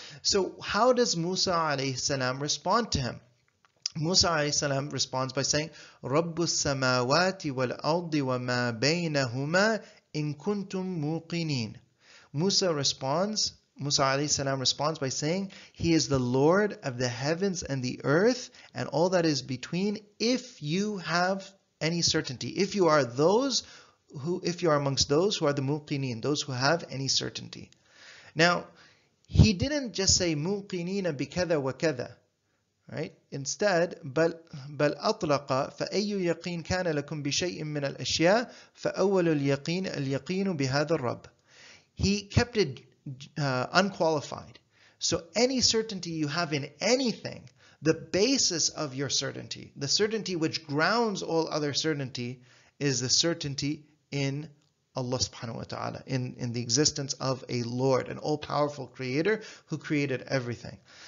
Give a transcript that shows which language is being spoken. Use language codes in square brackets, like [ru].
[en] So how does Musa alayhi salam respond to him? Musa alayhi salam responds by saying, [ar] رَبُّ السَّمَاوَاتِ وَالْأَرْضِ وَمَا بَيْنَهُمَا إِن كُنْتُمْ مُوقِنِينَ [en] Musa alayhi salam responds by saying, He is the Lord of the heavens and the earth and all that is between, if you have any certainty, if you are amongst those who are the muqineen, those who have any certainty. Now, he didn't just say [ar] muqineen bikada wa kada, [en] right? Instead, [ar] بل أطلق فأي يقين كان لكم بشيء من الأشياء فأول اليقين اليقين بهذا الرب. [en] He kept it unqualified. So any certainty you have in anything, the basis of your certainty, the certainty which grounds all other certainty, is the certainty in Allah subhanahu wa ta'ala, in the existence of a Lord, an all-powerful creator who created everything.